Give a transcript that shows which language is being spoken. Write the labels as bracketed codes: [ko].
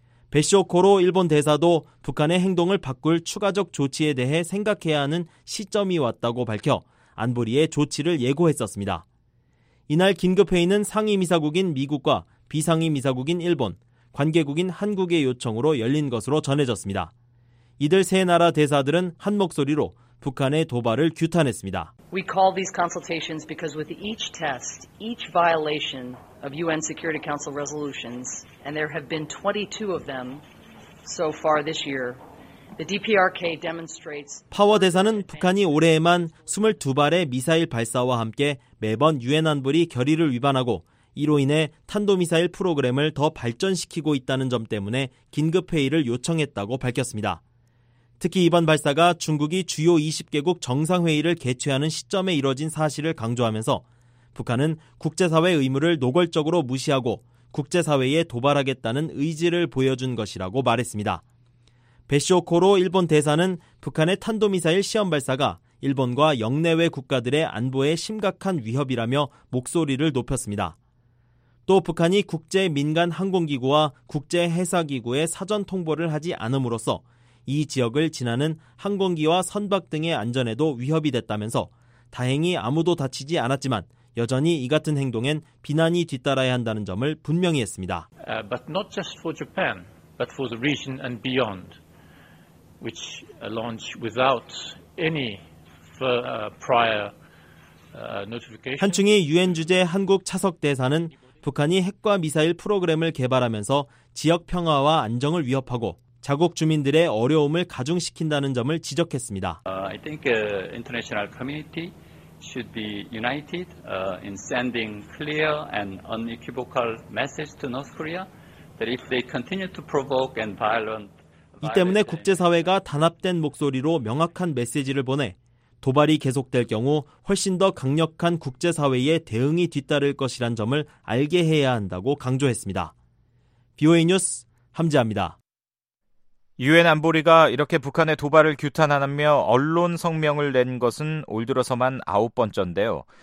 [ko] 베시오 코로 일본 대사도 북한의 행동을 바꿀 추가적 조치에 대해 생각해야 하는 시점이 왔다고 밝혀 안보리의 조치를 예고했었습니다. 이날 긴급회의는 상임이사국인 미국과 비상임이사국인 일본, 관계국인 한국의 요청으로 열린 것으로 전해졌습니다. 이들 세 나라 대사들은 한 목소리로 북한의 도발을 규탄했습니다. [en] We call these consultations because with each test, each violation of UN Security Council resolutions, and there have been 22 of them so far this year, the DPRK demonstrates. [ko] 파워 대사는 북한이 올해에만 22발의 미사일 발사와 함께 매번 유엔 안보리 결의를 위반하고 이로 인해 탄도미사일 프로그램을 더 발전시키고 있다는 점 때문에 긴급회의를 요청했다고 밝혔습니다. 특히 이번 발사가 중국이 주요 20개국 정상회의를 개최하는 시점에 이뤄진 사실을 강조하면서 북한은 국제사회 의무를 노골적으로 무시하고 국제사회에 도발하겠다는 의지를 보여준 것이라고 말했습니다. 베시오 코로 일본 대사는 북한의 탄도미사일 시험 발사가 일본과 역내외 국가들의 안보에 심각한 위협이라며 목소리를 높였습니다. 또 북한이 국제민간항공기구와 국제해사기구에 사전 통보를 하지 않음으로써 이 지역을 지나는 항공기와 선박 등의 안전에도 위협이 됐다면서 다행히 아무도 다치지 않았지만 여전히 이 같은 행동엔 비난이 뒤따라야 한다는 점을 분명히 했습니다. [en] But not just for Japan, but for the region and beyond, which launch without any prior notification. [ko] 한충희 유엔 주재 한국 차석 대사는 북한이 핵과 미사일 프로그램을 개발하면서 지역 평화와 안정을 위협하고 자국 주민들의 어려움을 가중시킨다는 점을 지적했습니다. [en] I think the international community should be united in sending clear and unequivocal message to North Korea that if they continue to provoke and violent [ko] 이 때문에 국제사회가 단합된 목소리로 명확한 메시지를 보내 도발이 계속될 경우 훨씬 더 강력한 국제사회의 대응이 뒤따를 것이란 점을 알게 해야 한다고 강조했습니다. BOA 뉴스 함지아입니다. 유엔 안보리가 이렇게 북한의 도발을 규탄하며 언론 성명을 낸 것은 올 들어서만 아홉 번째인데요.